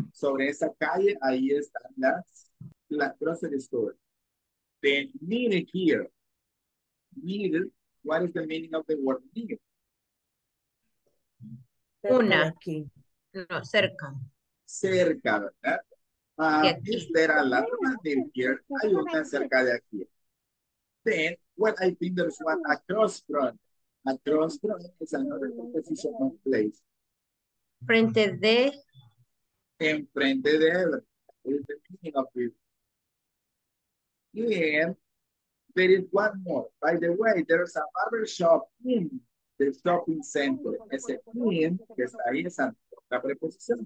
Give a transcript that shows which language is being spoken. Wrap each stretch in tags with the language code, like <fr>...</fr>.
<es>Sobre esa calle, ahí están las grocery store.</es> <en>The needle here. Needle, what is the meaning of the word needle?</en> <es>Una. No, cerca. Cerca, ¿verdad?</es> <en>Is there a laundromat in here?</en> <es>Hay una cerca de aquí.</es> <en>Then, well, I think there's one across from. Across from is another preposition of place.</en> <es>Frente de. En frente de.</es> <en>What is the meaning of it? And there is one more. By the way, there's a barber shop in the shopping center.</en> <es>Es in, que está ahí, es la preposición.</es>